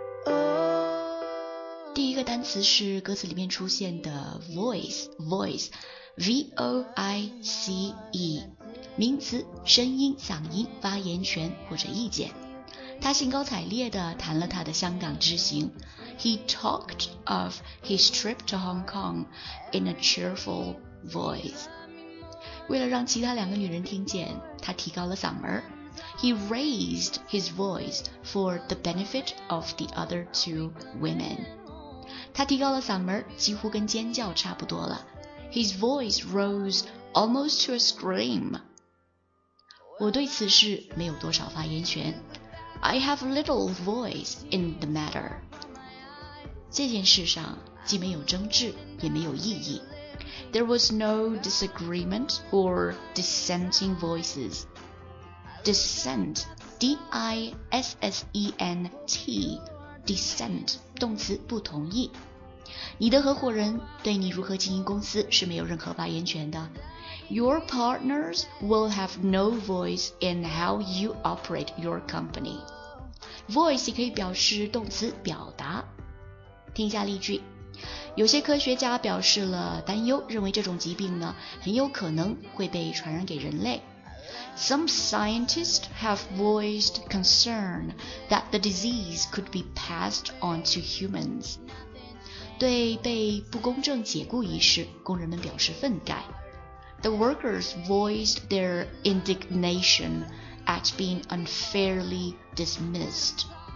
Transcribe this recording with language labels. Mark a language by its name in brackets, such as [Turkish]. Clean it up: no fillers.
[Chinese] Oh, 第一个单词是歌词里面出现的 voice, V-O-I-C-E， 名词，声音、嗓音、发言权或者意见。他兴高采烈地谈了他的香港之行。 [English] He talked of his trip to Hong Kong in a cheerful voice. [Chinese] 为了让其他两个女人听见，他提高了嗓门。 [English] He raised his voice for the benefit of the other two women. [Chinese] 他提高了嗓门，几乎跟尖叫差不多了。 [English] His voice rose almost to a scream. [Chinese] 我对此事没有多少发言权。 [English] I have little voice in the matter. [Chinese] 这件事上既没有争执，也没有异议。 [English] There was no disagreement or dissenting voices. Dissent, D-I-S-S-E-N-T, dissent, 动词，不同意。 [Chinese] 你的合伙人对你如何经营公司是没有任何发言权的。 [English] Your partners will have no voice in how you operate your company. [Chinese] Voice 也可以表示动词，表达。听一下例句。有些科学家表示了担忧，认为这种疾病呢很有可能会被传染给人类。 [English] Some scientists have voiced concern that the disease could be passed on to humans. [Chinese] 对被不公正解雇一事，工人们表示愤慨。 [English] The workers voiced their indignationat being unfairly dismissed.